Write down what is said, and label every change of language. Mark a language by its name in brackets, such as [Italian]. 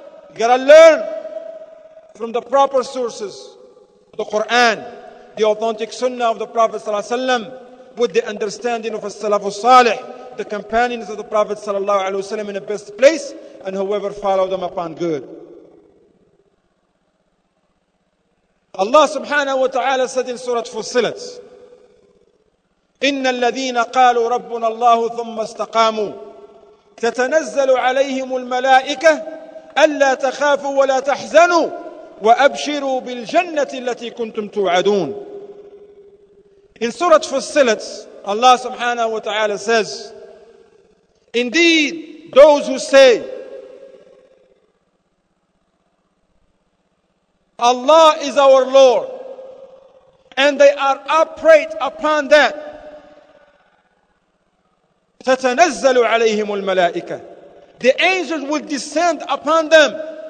[English] You gotta learn from the proper sources, the Quran, the authentic Sunnah of the Prophet ﷺ, with the understanding of As-Salafu Salih, the companions of the Prophet ﷺ in the best place, and whoever followed them upon good. [Arabic] Allah subhanahu wa ta'ala said in Surah Fussilat, إِنَّ الَّذِينَ قَالُوا رَبُّنَ اللَّهُ ثُمَّ اسْتَقَامُوا تَتَنَزَّلُ عَلَيْهِمُ الْمَلَائِكَةُ أَلَّا تَخَافُوا وَلَا تَحْزَنُوا وَأَبْشِرُوا بِالْجَنَّةِ الَّتِي كُنْتُمْ تُوعَدُونَ. [English] In Surah Fussilat, Allah subhanahu wa ta'ala says, indeed, those who say, Allah is our Lord, and they are upright upon that, تَتَنَزَّلُ عَلَيْهِمُ الْمَلَائِكَةِ, the angels will descend upon them.